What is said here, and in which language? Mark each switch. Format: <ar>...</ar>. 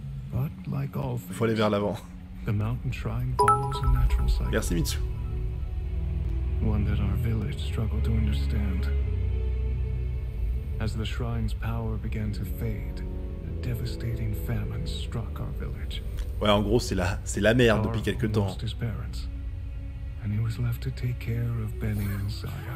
<en>But like all things,</en> <fr>faut aller vers l'avant.</fr> <en>The mountain shrine follows a natural cycle.</en> <fr>Merci Mitsu.</fr> <en>One that our village struggled to understand. As the shrine's power began to fade, a devastating famine struck our village.</en> <fr>Ouais, en gros, c'est la merde depuis quelque temps.</fr> <en>Lost his parents, and he was left to take care of Benny and Zaya.</en>